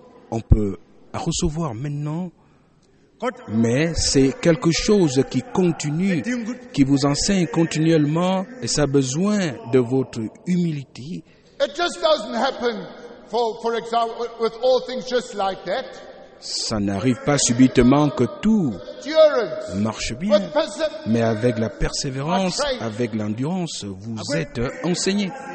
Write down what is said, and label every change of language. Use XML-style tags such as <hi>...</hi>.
<fr>On peut recevoir maintenant, mais c'est quelque chose qui continue, qui vous enseigne continuellement, et ça a besoin de votre humilité.</fr> <en>It just doesn't happen, for example, with all things just like that.</en> <fr>Ça n'arrive pas subitement que tout marche bien, mais avec la persévérance, avec l'endurance, vous êtes enseigné.</fr>